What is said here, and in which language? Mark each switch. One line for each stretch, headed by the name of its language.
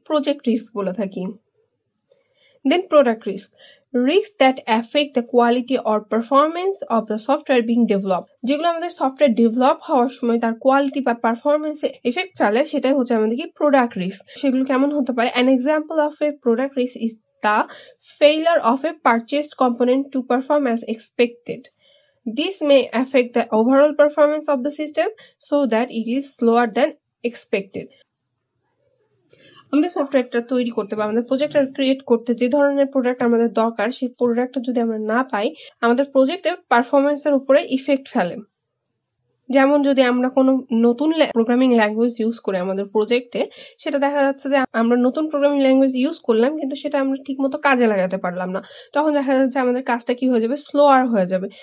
Bangla: Project risk বলে থাকি। দেন product risk,
English: Risk that effect the quality or performance of the software being develop.
Bangla: যেগুলো আমাদের software develop হওয়ার সময় তার কোয়ালিটি বা পারফরমেন্সে ইফেক্ট ফেলে সেটাই হচ্ছে আমাদের কি প্রোডাক্ট রিস্ক। সেগুলো কেমন হতে পারে?
English: An example of a product risk is the failure of a purchase component to perform as expected. This may affect the overall performance of the system so that it is slower than expected.
Bangla: আমাদের সফটওয়্যারটা তৈরি করতে বা আমাদের প্রজেক্টটা create করতে যে ধরনের প্রোডাক্ট আমাদের দরকার, সেই প্রোডাক্টটা যদি আমরা না পাই আমাদের প্রজেক্টের পারফরমেন্সের উপরে ইফেক্ট ফেলে। যেমন যদি আমরা কোনো নতুন প্রোগ্রামিং ল্যাঙ্গুয়েজ ইউজ করি আমাদের প্রজেক্টে, সেটা দেখা যাচ্ছে যে আমরা নতুন প্রোগ্রামিং ল্যাঙ্গুয়েজ ইউজ করলাম কিন্তু সেটা আমরা ঠিক মতো কাজে লাগাতে পারলাম না, তখন দেখা যাচ্ছে আমাদের কাজটা কি হয়ে যাবে? স্লোয়ার হয়ে যাবে।